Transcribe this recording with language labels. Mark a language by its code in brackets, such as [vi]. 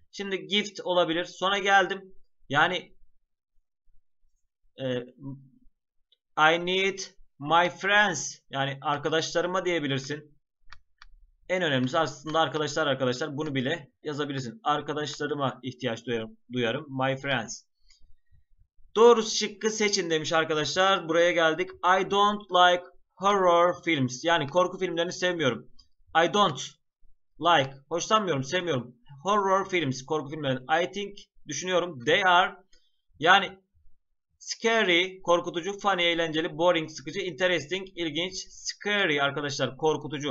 [tr] Şimdi gift olabilir. Sonra geldim. Yani [en] I need my friends. [tr] Yani arkadaşlarıma diyebilirsin. En önemlisi aslında arkadaşlar bunu bile yazabilirsin. Arkadaşlarıma ihtiyaç duyarım. My friends. Doğru şıkkı seçin demiş arkadaşlar. Buraya geldik. [en] I don't like horror films. [tr] Yani korku filmlerini sevmiyorum. [en] I don't like. [tr] Hoşlanmıyorum, sevmiyorum. Horror films, korku filmleri. I think, düşünüyorum. They are. Yani scary, korkutucu, funny, eğlenceli, boring, sıkıcı, interesting, ilginç, scary arkadaşlar, korkutucu.